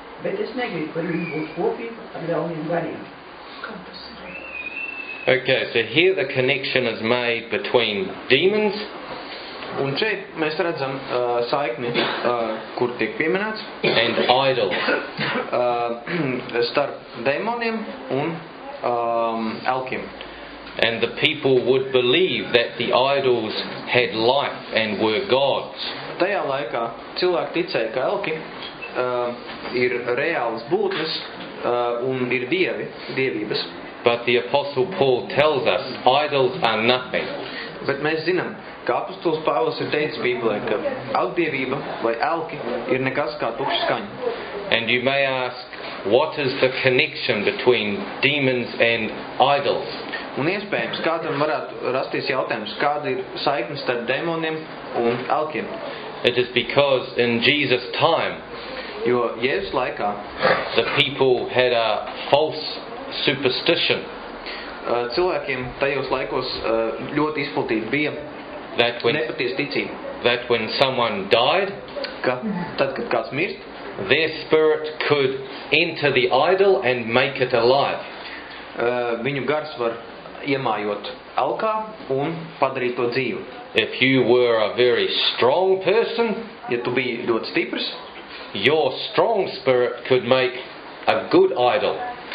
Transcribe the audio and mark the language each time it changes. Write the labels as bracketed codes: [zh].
[lv] Bet es negribu, ka viņi būs kopīgi ar ļauniem gariem. Kā tas ir? [en] Okay, so here the connection is made between demons. [lv] Un šeit mēs redzam saikni, kur tiek pieminēts. [en] And idols. [lv] Starp demoniem un elkiem. [en] And the people would believe that the idols had life and were gods. [lv] Tajā laikā cilvēki ticēja, ka elki ir reāls būtnes un ir dievi, dievības. [en] But the apostle Paul tells us idols are nothing. [lv] Bet mēs zinām, ka apostols Pāvils ir teicis Bībelē, ka elkdievība vai elki ir nekas kā tukša skaņa. [en] And you may ask, what is the connection between demons and idols? [lv] Un iespējams, kādam varētu rasties jautājums, kāda ir saikne starp demoniem un elkiem? [en] It is because in Jesus time, [lv] jo Jēzus laikā, [en] the people had a false superstition. [lv] Cilvēkiem tajos laikos ļoti izplatīta bija nepatiesa ticība. [en] That when someone died, [lv] kad kāds mirst, [en] their spirit could enter the idol and make it alive. [lv] Viņu gars var iemājot elkā un padarīt to dzīvu. [en] If you were a very strong person, [lv] ja tu biji ļoti stiprs, [en] your strong spirit could make a good idol.